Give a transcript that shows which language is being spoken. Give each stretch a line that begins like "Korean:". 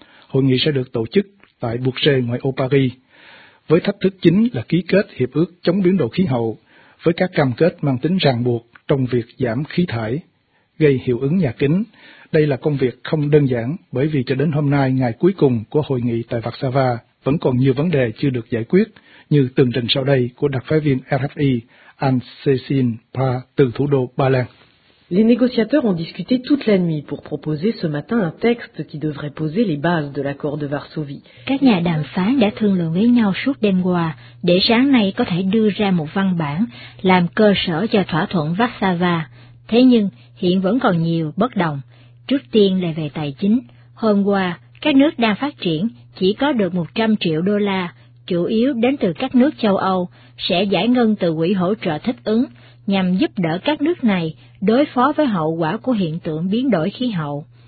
Vietnamese: Hội nghị sẽ được tổ chức tại Bruxelles ngoại ô Paris, với thách thức chính là ký kết hiệp ước chống biến đổi khí hậu, với các cam kết mang tính ràng buộc trong việc giảm khí thải, gây hiệu ứng nhà kính. Đây là công việc không đơn giản, bởi vì cho đến hôm nay, ngày cuối cùng của hội nghị tại Warsawa, vẫn còn nhiều vấn đề chưa được giải quyết, như tường trình sau đây của đặc phái viên RFI Anne-Cécile Pa từ thủ đô Ba Lan.
French: Les négociateurs ont discuté toute la nuit pour proposer ce matin un texte qui devrait poser les bases de l'accord de Varsovie.
Vietnamese: Các nhà đàm phán đã thương lượng với nhau suốt đêm qua để sáng nay có thể đưa ra một văn bản làm cơ sở cho thỏa thuận Warsawa. Thế nhưng, hiện vẫn còn nhiều bất đồng. Trước tiên là về tài chính. Hôm qua, các nước đang phát triển chỉ có được 100 triệu đô la, chủ yếu đến từ các nước châu Âu, sẽ giải ngân từ quỹ hỗ trợ thích ứng nhằm giúp đỡ các nước này đối phó với hậu quả của hiện tượng biến đổi khí hậu.